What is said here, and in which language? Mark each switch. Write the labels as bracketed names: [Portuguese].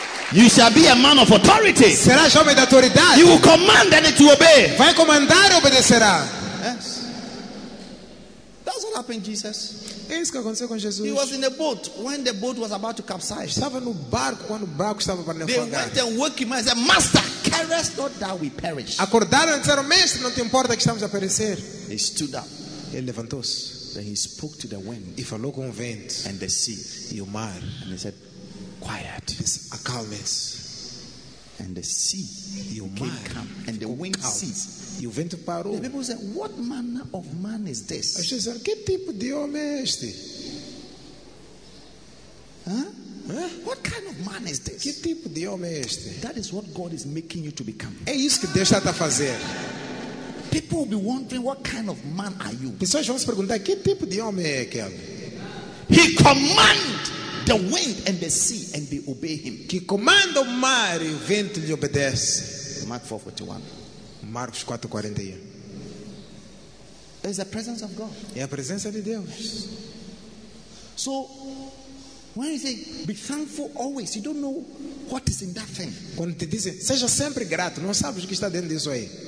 [English] You shall be a man of authority. [Portuguese] Será homem de autoridade. [English] You will command and it will obey. [Portuguese] Vai comandar e obedecerá. [English] Yes. That's what happened, Jesus. [Portuguese] É isso que aconteceu com Jesus. [English] He was in a boat when the boat was about to capsize. [Portuguese] Estava no barco quando o barco estava para naufragar. [English] They went and woke him and said, "Master, carest not that we perish." [Portuguese] Acordaram e disseram, mestre, não te importa que estamos a perecer. [English] He stood up. [Portuguese] Ele levantou-se. [English] Then he spoke to the wind. [Portuguese] E falou com o vento. [English] And the sea. [Portuguese] E o mar. [English] And he said, "Quiet." [Portuguese] Acalme-se. [English] And the sea came calm, and the wind ceased. [Portuguese] O vento parou. [English] The people said, "What manner of man is this?" [Portuguese] As pessoas disseram, "Que tipo de homem é este?" [English] What kind of man is this? [Portuguese] Que tipo de homem é este? [English] That is what God is making you to become. [Portuguese] É isso que Deus está a fazer. [English] People will be wondering, "What kind of man are you?" [Portuguese] Pessoas vão se perguntar, "Que tipo de homem é aquele?" [English] He command the wind and the sea, and they obey him. [Portuguese] Que comanda o mar e o vento lhe obedece. [English] Mark 4:41. It's the presence of God. [Portuguese] É a presença de Deus. [English] So, when you say, "Be thankful always," you don't know what is in that thing. [Portuguese] Quando te dizem, seja sempre grato, não sabes o que está dentro disso aí.